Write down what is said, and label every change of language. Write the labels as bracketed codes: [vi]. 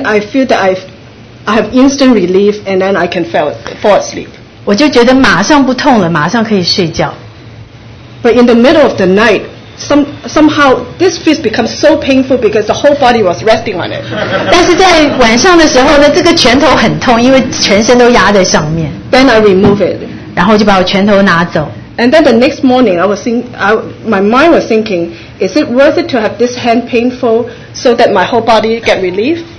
[en] I feel that I have instant relief, and then I can fall asleep. [zh] 我就觉得马上不痛了，马上可以睡觉。 [en] But in the middle of the night, somehow this fist becomes so painful because the whole body was resting on it. [zh] 但是在晚上的时候呢，这个拳头很痛，因为全身都压在上面。 [en] Then I remove it. [zh] 然后就把我拳头拿走。 [en] And then the next morning, my mind was thinking, is it worth it to have this hand painful so that my whole body get relief?